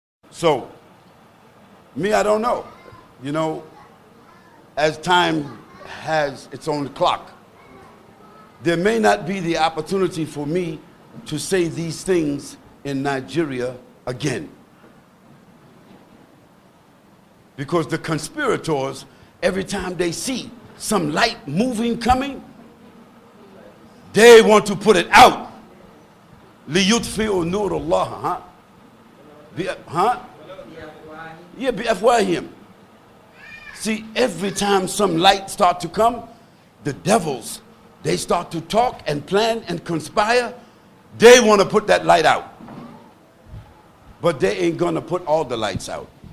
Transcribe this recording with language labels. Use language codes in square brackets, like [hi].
[en] So, me, I don't know. You know, as time has its own clock, there may not be the opportunity for me to say these things in Nigeria again. Because the conspirators, every time they see some light moving coming, they want to put it out. [ar] لِيُطْفِئُ نُورُ اللَّهِ Huh? [en] Yeah, بِأَفْوَاهِهِمْ. See, every time some light start to come, the devils, they start to talk and plan and conspire. They want to put that light out. But they ain't going to put all the lights out.